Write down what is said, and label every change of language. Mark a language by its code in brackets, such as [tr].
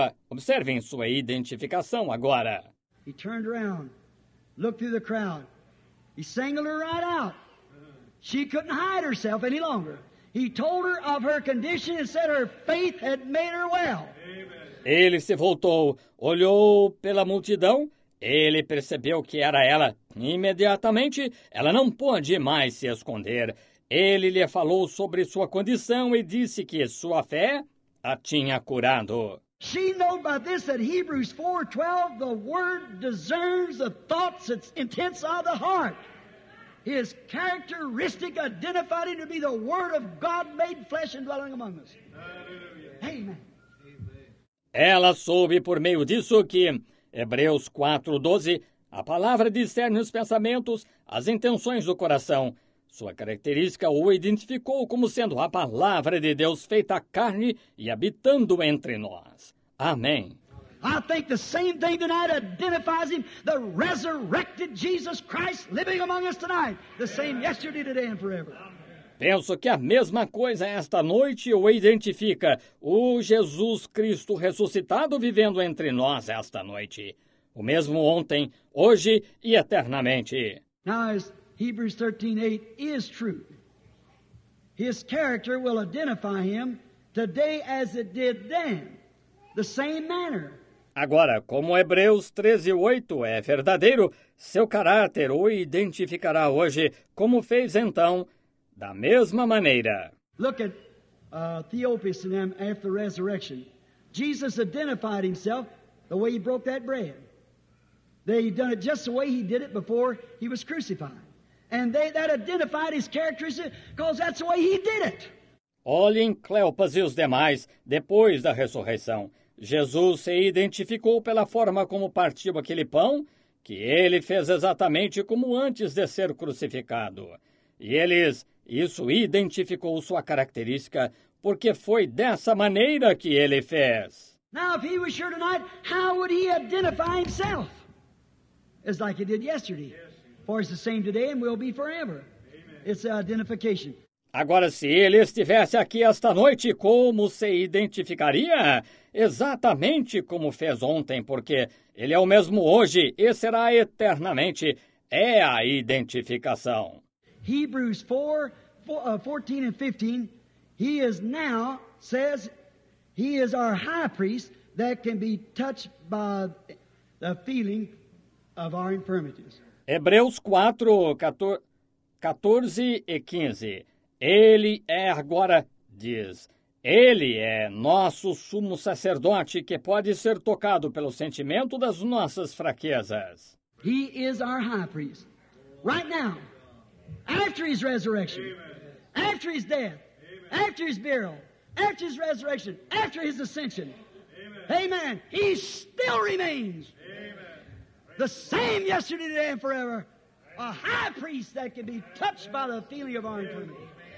[pt] Observem sua identificação agora. [en] He turned around, looked through the crowd. He singled her right out. She couldn't hide herself any longer. He told her of her condition and said her faith had made her well. [pt] Ele se voltou, olhou pela multidão, ele percebeu que era ela. Imediatamente, ela não pôde mais se esconder. Ele lhe falou sobre sua condição e disse que sua fé a tinha curado. [en] She knew by this that Hebrews 4:12, the word discerns the thoughts, its intents of the heart. His characteristic identified him to be the word of God made flesh and dwelling among us. Hallelujah. Amen. [pt] Ela soube por meio disso que, Hebreus 4:12, a palavra discerne os pensamentos, as intenções do coração. Sua característica o identificou como sendo a palavra de Deus feita carne e habitando entre nós. Amém. Amém. [en] I think the same thing tonight identifies him, the resurrected Jesus Christ living among us tonight. The same yesterday, today, and forever. [pt] Penso que a mesma coisa esta noite o identifica, o Jesus Cristo ressuscitado vivendo entre nós esta noite. O mesmo ontem, hoje e eternamente. [en] Now, as Hebrews 13:8 is true, his character will identify him today as it did then, the same manner. [pt] Agora, como Hebreus 13:8 é verdadeiro, seu caráter o identificará hoje, como fez então, da mesma maneira. [en] Look at Theophilus and them after resurrection. Jesus identified himself the way he broke that bread. They done it just the way he did it before he was crucified. And that identified his characteristics because that's the way he did it. [pt] Olhem Cleopas e os demais depois da ressurreição. Jesus se identificou pela forma como partiu aquele pão, que ele fez exatamente como antes de ser crucificado. E eles, isso identificou sua característica, porque foi dessa maneira que ele fez. [en] Now, if he was sure tonight, how would he identify himself? It's like it did yesterday. For it's the same today and will be forever. It's the identification. [pt] Agora, se ele estivesse aqui esta noite, como se identificaria? Exatamente como fez ontem, porque ele é o mesmo hoje e será eternamente. É a identificação. [en] Hebrews 4:14 and 15, he is now, says, he is our high priest that can be touched by the feeling of our infirmities. [pt] Hebreus 4:14-15. Ele é agora, diz, ele é nosso sumo sacerdote que pode ser tocado pelo sentimento das nossas fraquezas. [en] He is our high priest. Right now, after his resurrection, amen, after his death, amen, after his burial, after his resurrection, after his ascension, amen, amen, he still remains. Amen. The same yesterday, today, and forever. A high priest that can be touched by the feeling of our infirmity.